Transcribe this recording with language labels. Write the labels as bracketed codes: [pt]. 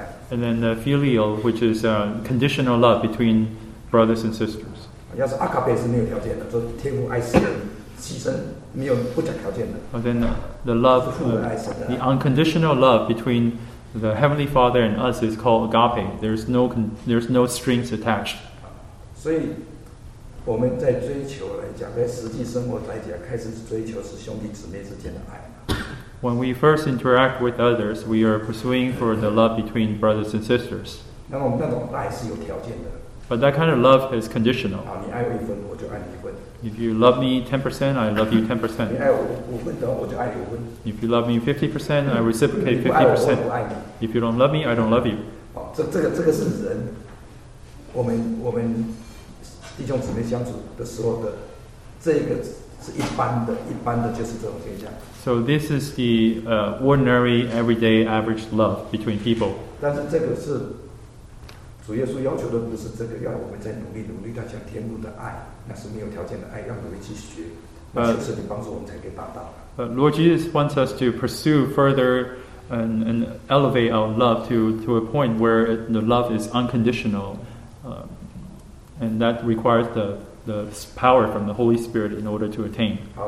[en] And then the filial, which is a conditional love between brothers and sisters. The unconditional love between the Heavenly Father and us is called agape. There's no strings attached. [zh] So,我们在追求来讲，在实际生活来讲，开始追求是兄弟姊妹之间的爱。 [en] When we first interact with others, we are pursuing for the love between brothers and sisters. [zh] 那么那种爱是有条件的。 [en] But that kind of love is conditional. [zh] 啊，你爱我一分，我就爱你一分。 [en] If you love me 10%, I love you 10%. [zh] 你爱我五分，等我就爱你五分。 [en] If you love me 50%, I reciprocate 50%. [zh] 你不爱我，我不爱你。 [en] If you don't love me, I don't love you. [zh] 哦，这个是人，我们。弟兄姊妹相处的时候的，这个是一般的就是这种现象。 [en] So this is the ordinary, everyday, average love between people. [zh] 但是这个是主耶稣要求的，不是这个，要我们再努力，要像天父的爱，那是没有条件的爱，要努力去学，那就是你帮助我们才可以达到。 [en] But Lord Jesus wants us to pursue further and elevate our love to a point where the love is unconditional. And that requires the power from the Holy Spirit in order to attain.